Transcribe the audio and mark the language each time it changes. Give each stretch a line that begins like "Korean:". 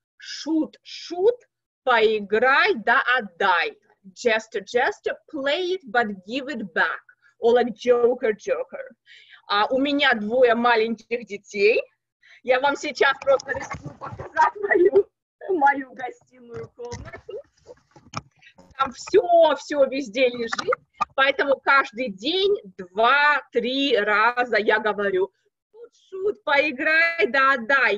English: Shoot, shoot,
Russian: поиграй, да отдай.
English: Gesture, gesture, play it, but give it back. Or like joker, joker.
Russian: У меня двое маленьких детей. Я вам сейчас просто рискую показать мою гостиную комнату. Там все везде лежит. Поэтому каждый день 2-3 раза я говорю: шут, поиграй, да отдай.